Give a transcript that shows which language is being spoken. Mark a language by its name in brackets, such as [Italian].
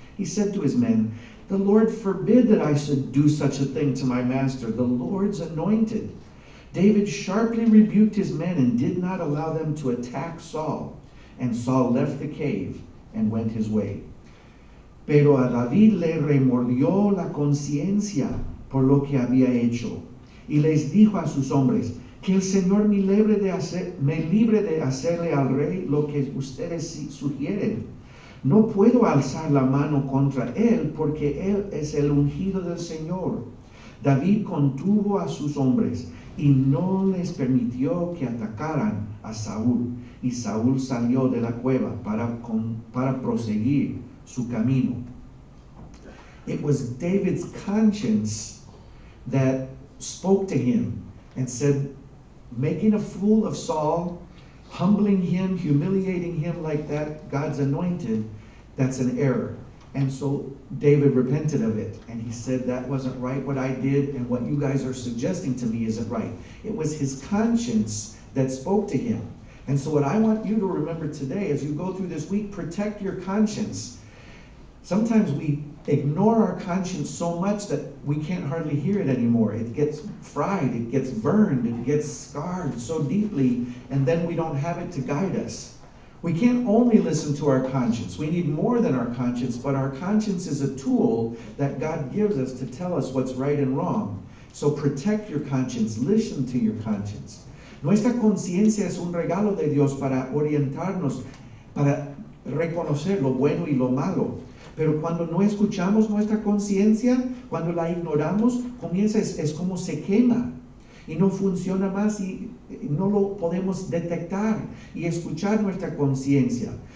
[English] He said to his men, "The Lord forbid that I should do such a thing to my master, the Lord's anointed." David sharply rebuked his men and did not allow them to attack Saul. And Saul left the cave and went his way. [Spanish] Pero a David le remordió la conciencia por lo que había hecho, y les dijo a sus hombres, que el Señor me libre de hacerle al rey lo que ustedes sugieren. No puedo alzar la mano contra él, porque él es el ungido del Señor. David contuvo a sus hombres, y no les permitió que atacaran a Saúl. Y Saúl salió de la cueva para proseguir su camino. [English] It was David's conscience that spoke to him and said, making a fool of Saul, humbling him, humiliating him like that, God's anointed, that's an error. And so David repented of it. And he said, that wasn't right what I did, and what you guys are suggesting to me isn't right. It was his conscience that spoke to him. And so what I want you to remember today, as you go through this week, protect your conscience. Sometimes we ignore our conscience so much that we can't hardly hear it anymore. It gets fried, it gets burned, it gets scarred so deeply, and then we don't have it to guide us. We can't only listen to our conscience. We need more than our conscience, but our conscience is a tool that God gives us to tell us what's right and wrong. So protect your conscience. Listen to your conscience. [Spanish] Nuestra conciencia es un regalo de Dios para orientarnos, para reconocer lo bueno y lo malo. Pero cuando no escuchamos nuestra conciencia, cuando la ignoramos, comienza, es como se quema. Y no funciona más y no lo podemos detectar y escuchar nuestra conciencia.